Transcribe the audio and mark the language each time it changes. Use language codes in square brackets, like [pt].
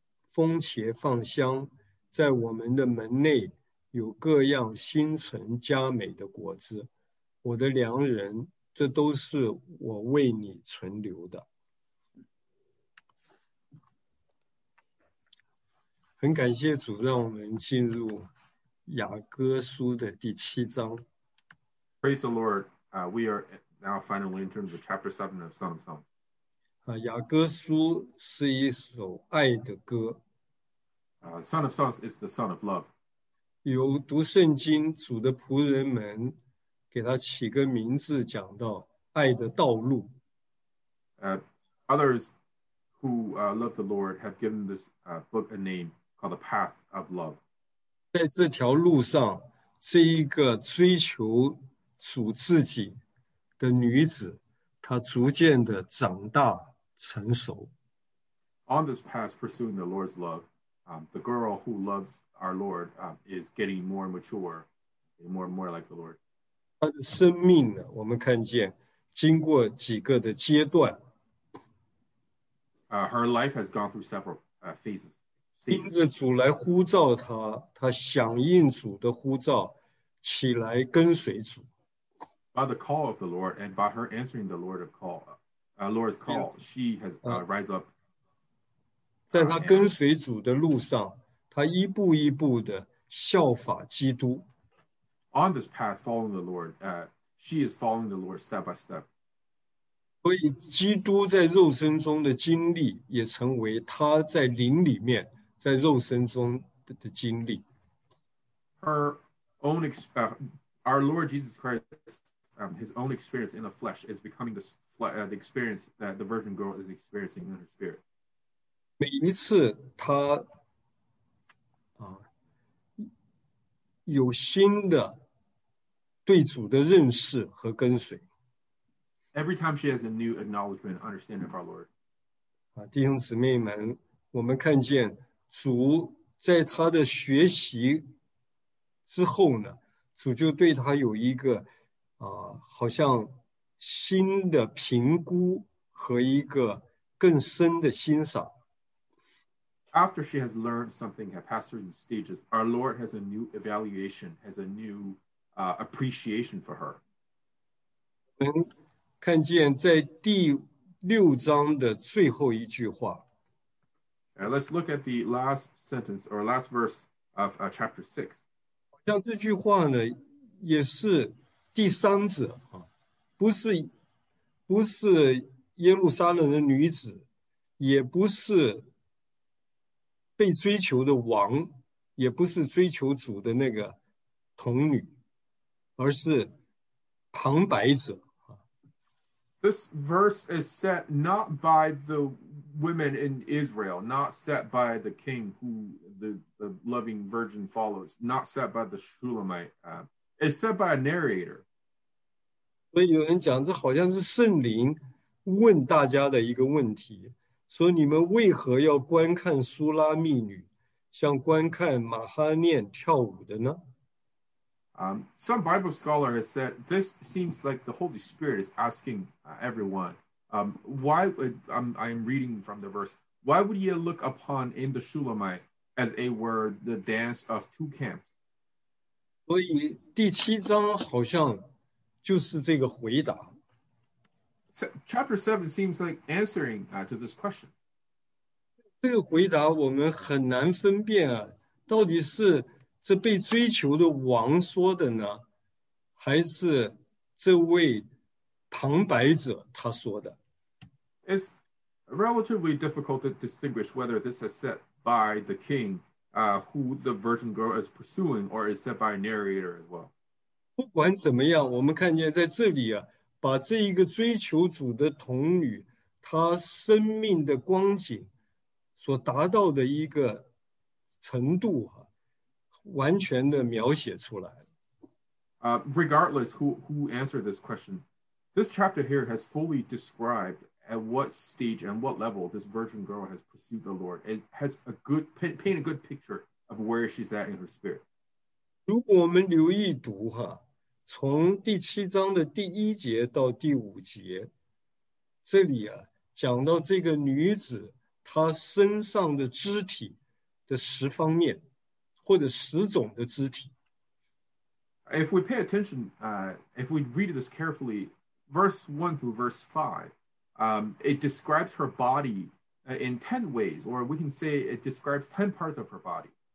[zh] 风茄放香，在我们的门内有各样新陈佳美的果子。我的良人，这都是我为你存留的。很感谢主，让我们进入雅歌书的第七章。 [en] Praise the Lord, we are now finally entering the chapter 7 of Song of Songs. [zh] 雅歌书是一首爱的歌。 [en] Song of Songs is the song of love. [zh] 有读圣经主的仆人们给他起个名字，讲到爱的道路。 [en] Others who love the Lord have given this book a name called The Path of Love. [zh] 在这条路上，这一个追求主自己的女子，她逐渐的长大成熟。 [en] On this path pursuing the Lord's love, the girl who loves our Lord is getting more mature, and more and more like the Lord. [zh] 他的生命呢，我们看见经过几个的阶段。 [en] Her life has gone through several phases. [zh] 听着主来呼召他，他响应主的呼召，起来跟随主。 [en] By the call of the Lord and by her answering the Lord of call, Lord's call, she has rise up. [zh] 在他跟随主的路上，他一步一步的效法基督。 [en] On this path, following the Lord, she is following the Lord step by step. [zh] 所以基督在肉身中的经历也成为他在灵里面在肉身中 的经历。 [en] Her own our Lord Jesus Christ, his own experience in the flesh is becoming the experience that the virgin girl is experiencing in her spirit. [zh] 每一次他有新的对主的认识和跟随。 [en] Every time she has a new acknowledgement, understanding of our Lord. [zh] 弟兄姊妹们，我们看见主在他的学习之后呢，主就对他有一个好像新的评估和一个更深的欣赏。 [en] After she has learned something, has passed certain stages, our Lord has a new evaluation, has a new appreciation for her. [zh] 我们看见在第六章的最后一句话。 [en] Let's look at the last sentence or last verse of chapter 6. [zh] 好像这句话呢，也是第三者，不是耶路撒冷的女子，也不是被追求的王，也不是追求主的那个童女，而是旁白者。 [en] This verse is set not by the women in Israel, not set by the king who the loving virgin follows, not set by the Shulamite. It's set by a narrator. [zh] 所以有人讲，这好像是圣灵问大家的一个问题，说你们为何要观看苏拉密女，像观看马哈念跳舞的呢？ [en] Some Bible scholar has said this seems like the Holy Spirit is asking everyone, I'm reading from the verse, why would you look upon in the Shulamite as a word the dance of two camps? [zh] 所以第七章好像就是这个回答。 [en] Chapter 7 seems like answering to this question. [zh] 这个回答我们很难分辨啊，到底是这被追求的王说的呢，还是这位旁白者他说的。 [en] It's relatively difficult to distinguish whether this is set by the king, who the virgin girl is pursuing, or is set by a narrator as well. [zh] 不管怎么样，我们看见在这里啊，把这一个追求主的童女，她生命的光景所达到的一个程度啊，完全的描写出来。 [en] Regardless who answered this question, This chapter here has fully described at what stage and what level this virgin girl has pursued the Lord. It has a good paint a good picture of where she's at in her spirit. [zh] 如果我们留意读，从第七章的第一节到第五节，这里讲到这个女子她身上的肢体的十方面，或者十种的肢体。 [en] If we pay attention, if we read this carefully, verse 1 through verse 5, it describes her body in 10 ways, or we can say it describes 10 parts of her body.